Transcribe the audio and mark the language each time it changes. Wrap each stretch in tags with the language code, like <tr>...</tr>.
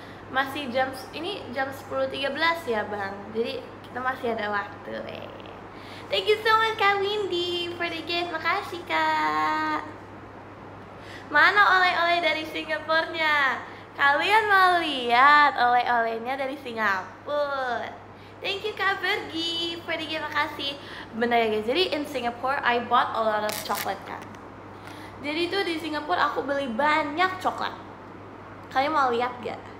<id>Masih jam ini jam 10.13 ya, Bang. Jadi kita masih ada waktu.</id> <en>Thank you so much Kak Windy for the gift.</en> <id>Makasih, Kak. Mana oleh-oleh dari Singapurnya? Kalian mau lihat oleh-olehnya dari Singapura.</id> <en>Thank you Kak Bergi for the gift.</en> <id>Makasih. Benar ya, guys. Jadi</id> <en>in Singapore I bought a lot of chocolate,</en> <id>Kak. Jadi tuh di Singapura aku beli banyak coklat. Kalian mau lihat enggak?</id>